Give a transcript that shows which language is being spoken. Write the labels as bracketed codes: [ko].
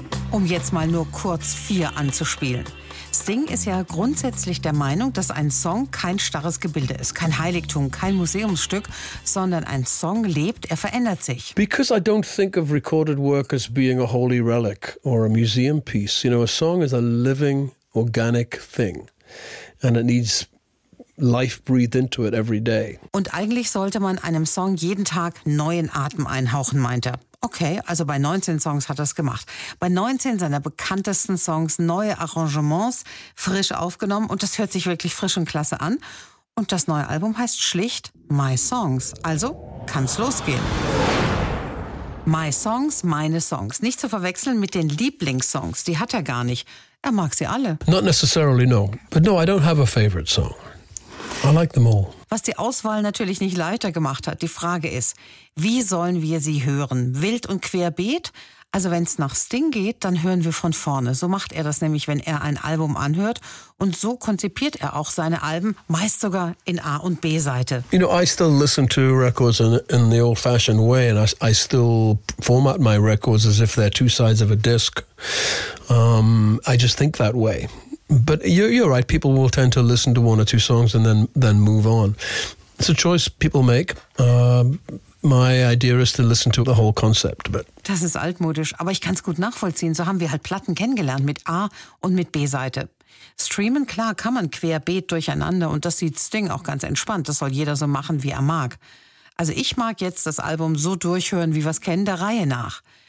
[de] Um jetzt mal nur kurz 4 anzuspielen. Sting ist ja grundsätzlich der Meinung, dass ein Song kein starres Gebilde ist, kein Heiligtum, kein Museumsstück, sondern ein Song lebt, er verändert sich. [en] Because I don't think of recorded work as being a holy relic or a museum piece. You know, a song is a living, organic thing and it needs life breathed into it every day. [de] Und eigentlich sollte man einem Song jeden Tag neuen Atem einhauchen, meint er. Okay, also bei 19 Songs hat er es gemacht. Bei 19 seiner bekanntesten Songs neue Arrangements, frisch aufgenommen und das hört sich wirklich frisch und klasse an. Und das neue Album heißt schlicht My Songs. Also kann's losgehen. My Songs, meine Songs. Nicht zu verwechseln mit den Lieblingssongs, die hat er gar nicht. Er mag sie alle. [en] Not necessarily, no. But no, I don't have a favorite song. I like them all. [de] Was die Auswahl natürlich nicht leichter gemacht hat, die Frage ist, wie sollen wir sie hören? Wild und querbeet? Also wenn es nach Sting geht, dann hören wir von vorne. So macht er das nämlich, wenn er ein Album anhört. Und so konzipiert er auch seine Alben, meist sogar in A- und B-Seite. [en] You know, I still listen to records in the old-fashioned way and I still format my records as if they're two sides of a disc. I just think that way. But you're right, people will tend to listen to one or two songs and then move on. It's a choice people make. My idea is to listen to the whole concept. But [de] das ist altmodisch, aber ich kann es gut nachvollziehen. So haben wir halt Platten kennengelernt mit A- und mit B-Seite. Streamen, klar, kann man querbeet durcheinander und das sieht Sting auch ganz entspannt. Das soll jeder so machen, wie er mag. Also ich mag jetzt das Album so durchhören, wie wir es kennen, der Reihe nach.